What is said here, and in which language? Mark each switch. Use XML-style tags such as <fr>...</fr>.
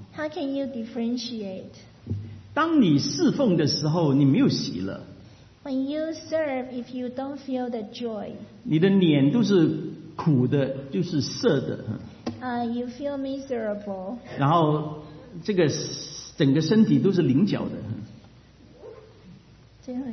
<en>How can you differentiate?</en> <zh>当你侍奉的时候，你没有喜乐。</zh> <en>When you serve, if you don't feel the joy,</en> <zh>你的脸都是苦的，就是涩的。</zh> <en>You feel miserable.</en> <zh>然后这个整个身体都是棱角的。</zh>